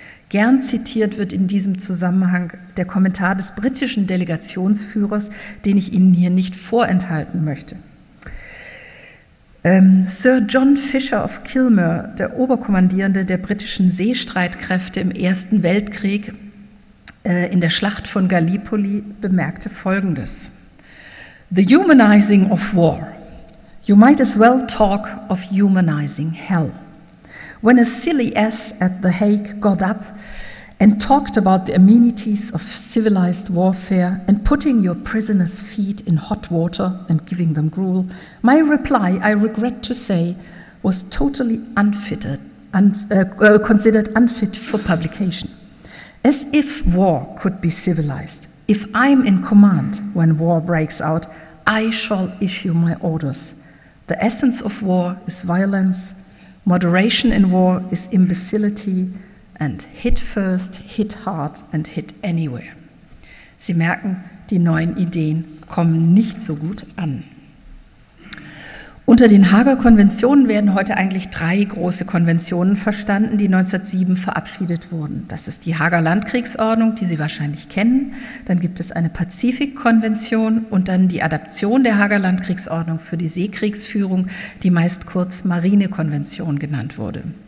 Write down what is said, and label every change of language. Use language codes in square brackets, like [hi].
[de] Gern zitiert wird in diesem Zusammenhang der Kommentar des britischen Delegationsführers, den ich Ihnen hier nicht vorenthalten möchte. Sir John Fisher of Kilmer, der Oberkommandierende der britischen Seestreitkräfte im Ersten Weltkrieg in der Schlacht von Gallipoli, bemerkte Folgendes. [en] The humanizing of war. You might as well talk of humanizing hell. When a silly ass at The Hague got up and talked about the amenities of civilized warfare and putting your prisoners' feet in hot water and giving them gruel, my reply, I regret to say, was totally considered unfit for publication. As if war could be civilized. If I'm in command when war breaks out, I shall issue my orders. The essence of war is violence. Moderation in war is imbecility. And hit first, hit hard and hit anywhere. [de] Sie merken, die neuen Ideen kommen nicht so gut an. Unter den Haager Konventionen werden heute eigentlich drei große Konventionen verstanden, die 1907 verabschiedet wurden. Das ist die Haager Landkriegsordnung, die Sie wahrscheinlich kennen. Dann gibt es eine Pazifikkonvention und dann die Adaption der Haager Landkriegsordnung für die Seekriegsführung, die meist kurz Marinekonvention genannt wurde.